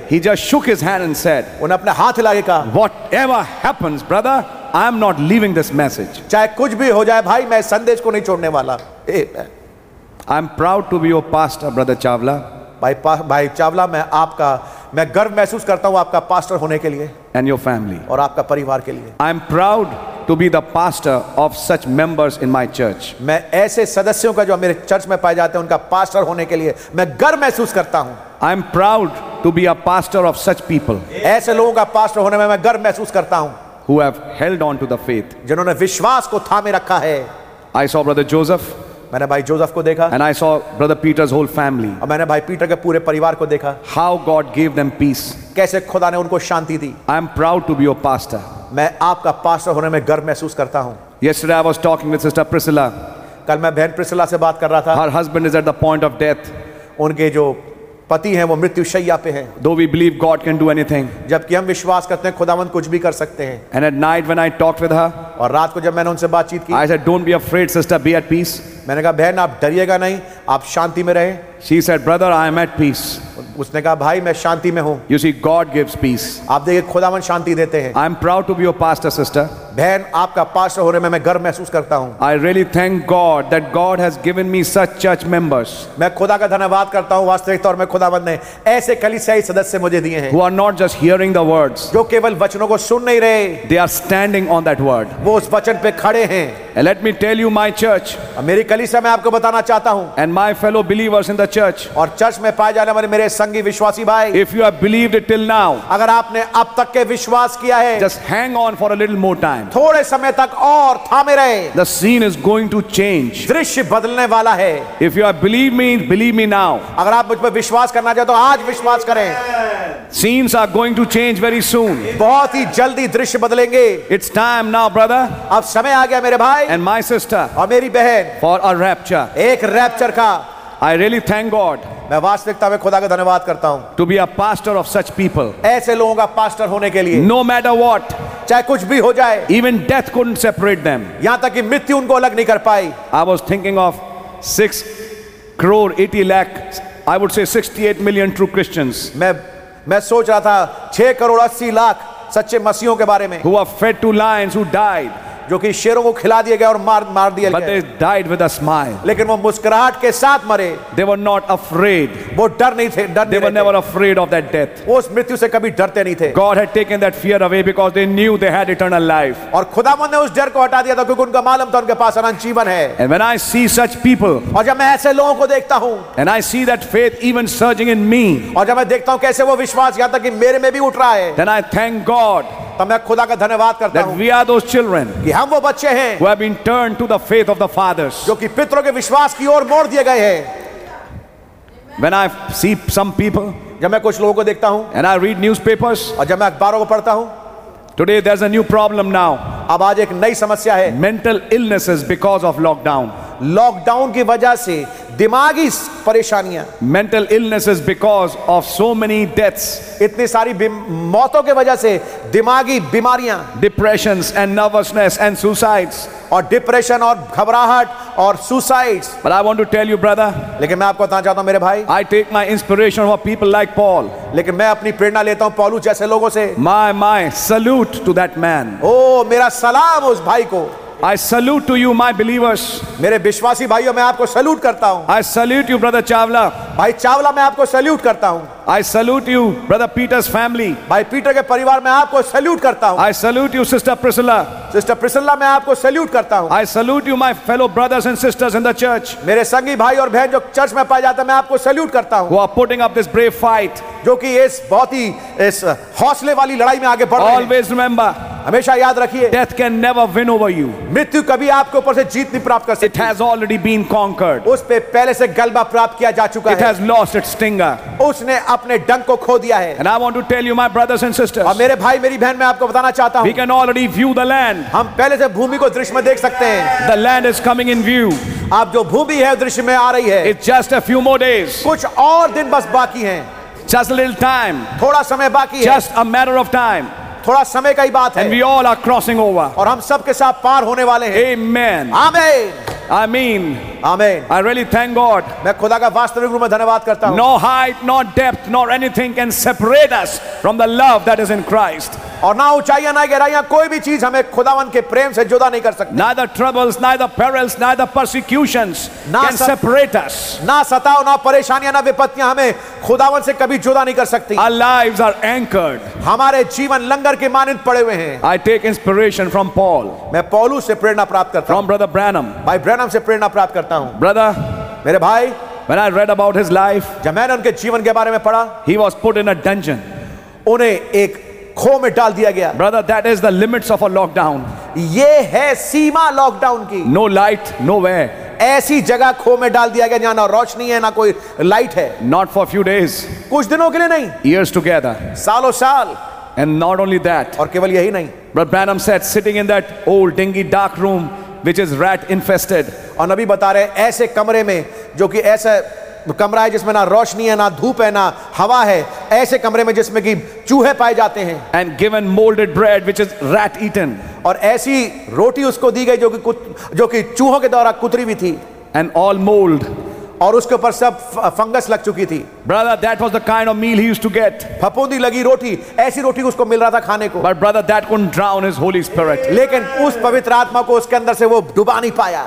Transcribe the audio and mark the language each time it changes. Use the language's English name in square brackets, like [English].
[English] he just shook his hand and said, [Hindi] उन्हें अपने हाथ लगे कहा, [English] whatever happens, brother, I am not leaving this message. [Hindi] चाहे कुछ भी हो जाए भाई, मैं संदेश को नहीं छोड़ने वाला. [English] I am proud to be your pastor, Brother Chawla. [Hindi] भाई चावला, मैं गर्व महसूस करता हूं आपका पास्टर होने के लिए. [English] And your family. [Hindi] और आपका परिवार के लिए. [English] I am proud to be the pastor of such members in my church. [Hindi] मैं ऐसे सदस्यों का जो मेरे चर्च में पाए जाते हैं उनका पास्टर होने के लिए मैं गर्व महसूस करता हूं. [English] I am proud to be a pastor of such people. [Hindi] ऐसे लोगों का पास्टर होने में मैं गर्व महसूस करता हूं. [English] Who have held on to the faith. [Hindi] जिन्होंने विश्वास को थामे रखा है. [English] I saw Brother Joseph. [Hindi] मैंने भाई जोसेफ को देखा. [English] And I saw Brother Peter's whole family. [Hindi] और मैंने भाई पीटर के पूरे परिवार को देखा. [English] How God gave them peace. [Hindi] कैसे खुदा ने उनको शांति दी. [English] I am proud to be your pastor. [Hindi] मैं आपका पास्टर होने में गर्व महसूस करता हूँ. [English] Yesterday I was talking with Sister Priscilla. [Hindi] कल मैं बहन प्रिसिला से बात कर रहा था. [English] Her husband is at the point of death. [Hindi] उनके जो पति हैं वो मृत्युशय्या पे हैं. [English] Though we believe God can do anything. [Hindi] जबकि हम विश्वास करते हैं खुदावंद कुछ भी कर सकते हैं. [English] And at night when I talked with her. [Hindi] और रात को जब मैंने उनसे बातचीत की. [English] I said, don't be afraid, sister, be at peace. [Hindi] मैंने कहा बहन आप डरिएगा नहीं, आप शांति में रहें. [English] She said, brother, I am at peace. [Hindi] उसने कहा भाई मैं शांति में हूँ. [English] You see, God gives peace. [Hindi] आप देखिए खुदावंद शांति देते हैं. [English] I am proud to be your pastor, sister. [Hindi] बहन आपका पास्टर होने में मैं गर्व महसूस करता हूँ. [English] I really thank God that God has given me such church members. [Hindi] मैं खुदा का धन्यवाद करता हूँ वास्तविक तौर में खुदावंद ने ऐसे कलीसियाई सदस्य मुझे दिए हैं. [English] Who are not just hearing the words. [Hindi] जो केवल वचनों को सुन नहीं रहे. [English] They are standing on that word. [Hindi] वो उस वचन पे खड़े हैं. [English] And let me tell you my church. [Hindi] मेरी कलीसिया मैं आपको बताना चाहता हूँ. [English] And my fellow believers in the church. [Hindi] और चर्च में पाए जाने वाले मेरे संगी विश्वासी भाई. [English] If you have believed it till now. [Hindi] अगर आपने अब तक के विश्वास किया है. [English] Just hang on for a little more time. [Hindi] थोड़े समय तक और थामे रहे. [English] The scene is going to change. [Hindi] दृश्य बदलने वाला है. [English] If you believe me now. [Hindi] अगर आप मुझ पर विश्वास करना चाहते हो आज विश्वास करें. [English] Scenes are going to change very soon. [Hindi] बहुत ही जल्दी दृश्य बदलेंगे. [English] It's time now, brother. [Hindi] अब समय आ गया मेरे भाई. [English] And my sister. [Hindi] और मेरी बहन. [English] For a rapture. [Hindi] एक रैप्चर का. [English] I really thank God. [Hindi] मैं वास्तविकता में खुदा का धन्यवाद करता हूँ. [English] To be a pastor of such people. [Hindi] ऐसे लोगों का पास्टर होने के लिए. [English] No matter what. [Hindi] चाहे कुछ भी हो जाए. [English] Even death couldn't separate them. [Hindi] यहाँ तक कि मृत्यु उनको अलग नहीं कर पाई. [English] I was thinking of 6 crore 80 lakh. I would say 68 million true Christians. [Hindi] मैं सोच रहा था 6 करोड़ 80 लाख सच्चे मसीहों के बारे में. [English] Who were fed to lions, who died. [Hindi] जो कि शेरों को खिला दिया गया और मार दिया [English] But they died with a smile. [Hindi] लेकिन वो मुस्कुराहट के साथ मरे. [English] They were not afraid. [Hindi] वो डर नहीं थे. [English] They were never afraid of that death. [Hindi] वो उस मृत्यु से कभी डरते नहीं थे. [English] God had taken that fear away because they knew they had eternal life. [Hindi] और खुदावन ने उस डर को हटा दिया था क्योंकि उनका मालूम था उनके पास अनंत जीवन है. [English] And when I see such people, [Hindi] और जब मैं ऐसे लोगों को देखता हूँ, [English] and I see that faith even surging in me, [Hindi] और जब मैं देखता हूँ कैसे वो विश्वास यहाँ तक कि मेरे में भी उठ रहा है, [English] then I thank God. [Hindi] तो मैं खुदा का धन्यवाद करता हूँ. [English] That we are those children. [Hindi] कि हम वो बच्चे हैं. [English] Who have been turned to the faith of the fathers. [Hindi] जो कि पितरों के विश्वास की ओर मोड़ दिए गए हैं. [English] When I see some people, [Hindi] जब मैं कुछ लोगों को देखता हूँ, [English] and I read newspapers, [Hindi] और जब मैं अखबारों को पढ़ता हूँ. [English] Today there's a new problem now. [Hindi] अब आज एक नई समस्या है. [English] Mental illnesses because of lockdown. [Hindi] Lockdown की वजह से दिमागी परेशानियां. [English] Mental illnesses because of so many deaths. [Hindi] इतनी सारी मौतों के वजह से दिमागी बीमारियां. [English] Depressions and nervousness and suicides. [Hindi] और डिप्रेशन और घबराहट और suicides. [English] But I want to tell you, brother. [Hindi] लेकिन मैं आपको बताना चाहता हूं मेरे भाई. [English] I take my inspiration from people like Paul. [Hindi] लेकिन मैं अपनी प्रेरणा लेता हूं पौलू जैसे लोगों से. [English] My salute to that man. [Hindi] Oh, मेरा सलाम उस भाई को. [English] I salute to you, my believers. [Hindi] मेरे विश्वासी भाइयों, मैं आपको salute करता हूँ. [English] I salute you, brother Chawla. [Hindi] भाई चावला, मैं आपको salute करता हूँ. [English] I salute you, brother Peter's family. [Hindi] भाई पीटर के परिवार, मैं आपको salute करता हूँ. [English] I salute you, sister Priscilla. [Hindi] Sister Priscilla, मैं आपको salute करता हूँ. [English] I salute you, my fellow brothers and sisters in the church. [Hindi] मेरे संगी भाई और बहन जो चर्च में पाए जाते हैं, मैं आपको salute करता हूँ. [English] Who are putting up this brave fight? [Hindi] जो कि इस बहुत ही इस हौसले वाली लड़ाई में आगे बढ़ रहे हैं. [English] Always remember. [Hindi] हमेशा याद रखिए. [English] Death can never win over you. [Hindi] मृत्यु कभी आपके ऊपर से जीत नहीं प्राप्त कर सकती. [English] It has already been conquered. [Hindi] उस पे पहले से गलबा प्राप्त किया जा चुका है. [English] It has lost its stinger. [Hindi] उसने अपने डंक को खो दिया है. [English] And I want to tell you, my brothers and sisters. [Hindi] और मेरे भाई मेरी बहन, मैं आपको बताना चाहता हूँ. [English] We can already view the land. [Hindi] हम पहले से भूमि को दृश्य में देख सकते हैं. [English] The land is coming in view. [Hindi] आप जो भूमि है दृश्य में आ रही है. [English] It's just a few more days. [Hindi] कुछ और दिन बस बाकी है. [English] Just a little time. [Hindi] थोड़ा समय बाकी है. [English] Just a matter of time. [Hindi] थोड़ा समय का ही बात है. [English] And we all are crossing over. [Hindi] और हम सब के साथ पार होने वाले हैं. [English] Amen. [Hindi] Amen. [English] I mean. [Hindi] Amen. [English] I really thank God. [Hindi] मैं खुदा का वास्तविक रूप में धन्यवाद करता हूँ. [English] No height, no depth, nor anything can separate us from the love that is in Christ. [Hindi] और ना ऊंचाइयां ना गहराइयां कोई भी चीज हमें खुदावन के प्रेम से जुदा नहीं कर सकती. [English] Neither troubles, neither perils, neither persecutions can separate us. [Hindi] ना सताओ, ना परेशानियां, ना विपत्तियां हमें खुदावन से कभी जुदा नहीं कर सकती. [English] Our lives are anchored. [Hindi] हमारे जीवन लंगर के मानित पड़े हुए हैं. [English] I take inspiration from Paul. [Hindi] मैं पौलू से प्रेरणा प्राप्त करता हूं. [English] From Brother Branham. [Hindi] भाई ब्रैनम से प्रेरणा प्राप्त करता हूं. [English] Brother. [Hindi] मेरे भाई. [English] When I read about his life. [Hindi] जब मैंने उनके जीवन के बारे में पढ़ा. [English] He was put in a dungeon. [Hindi] उन्हें एक खो में डाल दिया गया. [English] Brother, that is the limits of a lockdown. [Hindi] ये है सीमा लॉकडाउन की. [English] No light, nowhere. [Hindi] ऐसी जगह खो में डाल दिया गया जहां ना रोशनी है ना कोई लाइट है. [English] Not for a few days. [Hindi] कुछ दिनों के लिए नहीं. [English] Years together. [Hindi] सालों साल. [English] And not only that. [Hindi] और केवल यही नहीं. [English] But Branham said, sitting in that old dingy dark room which is rat infested. [Hindi] और नबी बता रहे ऐसे कमरे में जो कि ऐसा कमरा है जिसमें ना रोशनी है ना धूप है ना हवा है. ऐसे कमरे में जिसमें कि चूहे पाए जाते हैं. [English] And given molded bread which is rat eaten. [Hindi] और ऐसी रोटी उसको दी गई जो कि चूहों के द्वारा कुतरी हुई थी. [English] And all mold. [Hindi] और उसके ऊपर सब फंगस लग चुकी थी. [English] Brother, that was the kind of meal he used to get. [Hindi] फफूंदी लगी रोटी, ऐसी रोटी उसको मिल रहा था खाने को. [English] But brother, that couldn't drown his Holy Spirit. [Hindi] लेकिन उस पवित्र आत्मा को उसके अंदर से वो डुबा नहीं पाया.